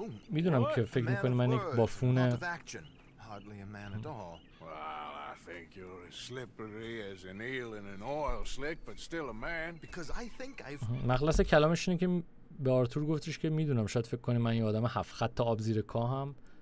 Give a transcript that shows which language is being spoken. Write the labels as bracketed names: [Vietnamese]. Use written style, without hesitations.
[Persian] میدونم که فکر میکنی من یک بافونه. [English] Hardly a man at all. Well, I think you're as slippery as an eel in an oil slick, but still a man. Because I think I've. [Persian] مخلص کلامش اینه که به آرتور گفتش که میدونم شاید فکر کنه من یه آدم هفت خط آب زیر کاهم.